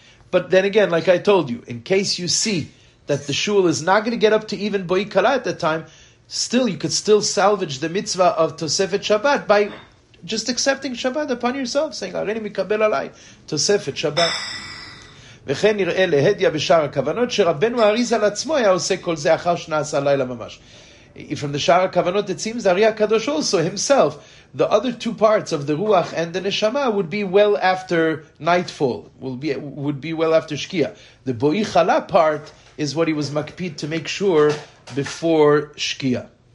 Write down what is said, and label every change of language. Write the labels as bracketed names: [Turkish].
[English] But then again, like I told you, in case you see that the shul is not going to get up to even Boi Chala at that time, still you could still salvage the mitzvah of Tosefet Shabbat by just accepting Shabbat upon yourself, saying, [Hebrew] Areni mikabel alai, Tosefet Shabbat. וכן נראה להדיה בשאר הכוונות שרבנו אריז על עצמו היה עושה כל זה אחר שנעשה לילה ממש. [English] From the שאר הכוונות, it seems that Ari HaKadosh also himself, the other two parts of the Ruach and the Neshama would be well after nightfall, would be well after Shkia. The Boi Chala part is what he was makpid to make sure before Shkia.